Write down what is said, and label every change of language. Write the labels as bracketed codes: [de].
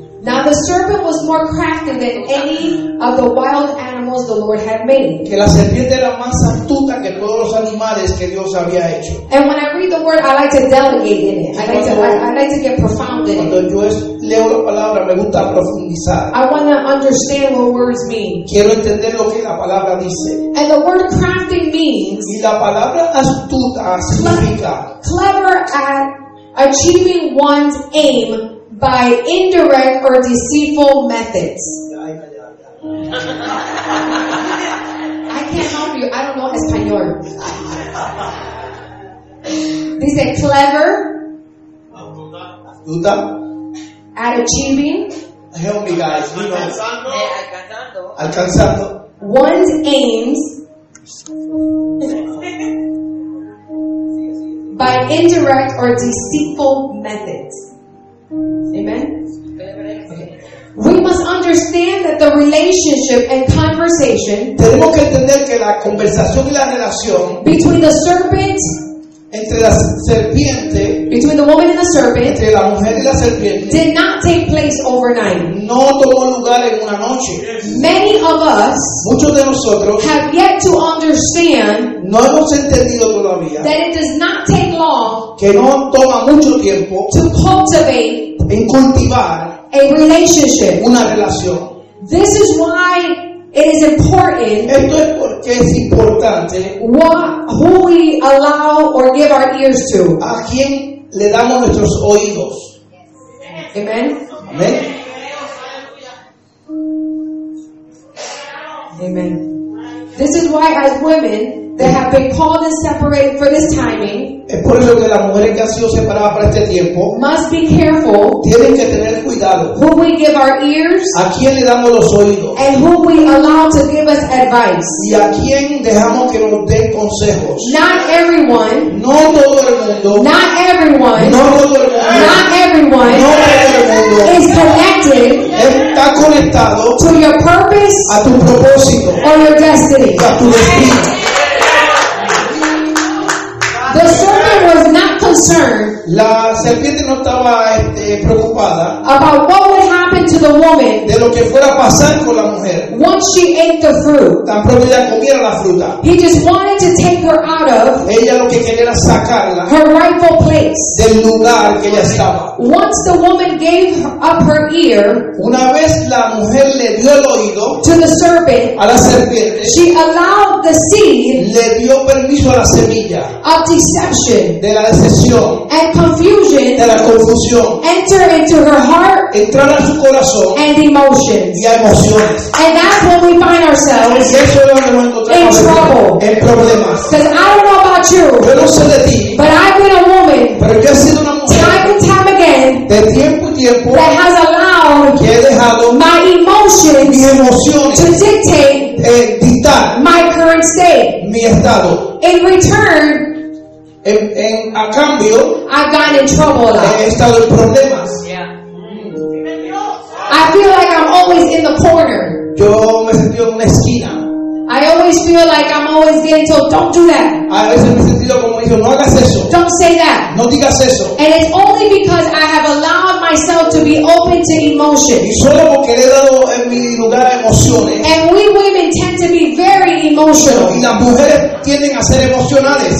[en] Now the serpent was more crafty than any of the wild animals. animals the Lord had made. [es] Que la serpiente era más astuta que todos los animales que Dios había hecho. [en] And when I read the word, I like to delegate in it. I like to get profound in it. [es] Yo leo la palabra, me gusta profundizar. [en] I want to understand what words mean. [es] Quiero entender lo que la palabra dice. [en] And the word crafting means. [es] Y la palabra astuta significa. [en] Clever at achieving one's aim by indirect or deceitful methods. I can't help you. I don't know Espanol. This is clever. [es] Astuta. [en] At achieving. Help me, guys. You know. [es] Alcanzando. [en] One's aims. By indirect or deceitful methods. Amen? Okay. We must understand that the relationship and conversation [es] tenemos que entender que la conversación y la relación [en] between the serpent [es] entre la serpiente, [en] between the woman and the serpent [es] entre la mujer y la serpiente, [en] did not take place overnight. [es] No tomó lugar en una noche. [en] Many of us [es] muchos de nosotros [en] have yet to understand [es] no hemos entendido todavía [en] that it does not take long [es] que no toma mucho tiempo [en] to cultivate [es] en cultivar [en] a relationship. [es] Una relación. [en] This is why it is important. [es] Esto es porque es importante. [en] Who we allow or give our ears to. [es] A quien le damos nuestros oídos. Amen. Amen. Amen. [en] This is why, as women that have been called and separated for this timing, [es] es por eso que las mujeres que han sido separadas para este tiempo, [en] must be careful. [es] Tienen que tener cuidado. [en] Who we give our ears? [es] A quién le damos los oídos? [en] And who we allow to give us advice? [es] Y a quién dejamos que nos den consejos? [en] Not everyone. [es] No todo el mundo. [en] Not everyone. [es] No todo el mundo. [en] Not everyone. [es] No todo el mundo. [en] Is connected. [es] Está conectado. [en] To your purpose. [es] A tu propósito. [en] Or your destiny. [es] A tu destino. [en] The serpent was not concerned. [es] La serpiente no estaba preocupada [en] about what would happen to the woman [es] de lo que fuera a pasar con la mujer [en] once she ate the fruit. [es] Tan pronto ella comiera la fruta. [en] He just wanted to take her out of [es] ella lo que quería era sacarla [en] her rightful place [es] del lugar que ella estaba. [en] Once the woman gave up her ear [es] una vez la mujer le dio el oído [en] to the serpent [es] a la serpiente [en] she allowed the seed [es] le dio permiso a la semilla [en] of deception [es] de la decepción [en] and confusion [es] de la confusión [en] enter into her heart [es] entrar a su corazón [en] and emotions [es] y a emociones [en] and that's when we find ourselves [es] y eso es donde nos encontramos [en] in trouble [es] en problemas [en] because I don't know about you [es] yo no sé de ti [en] but I've been a woman [es] pero yo he sido una mujer [en] time and time again [es] de tiempo y tiempo [en] that has allowed [es] que he dejado [en] my emotions [es] mis emociones [en] to dictate [es] dictar [en] my current state [es] mi estado [en] in return [es] En a cambio, [en] I've gotten in trouble a lot. [es] He estado en problemas. [en] I feel like I'm always in the corner. [es] Yo me sentía en una esquina. [en] I always feel like I'm always getting told, don't do that. [es] A veces me sentía como dijo, no hagas eso. [en] Don't say that. [es] No digas eso. [en] And it's only because I have allowed myself to be open to emotion. [es] Y solo porque le he dado en mi lugar a emociones. [en] And we women tend to be very emotional. [es] Y las mujeres tienden a ser emocionales.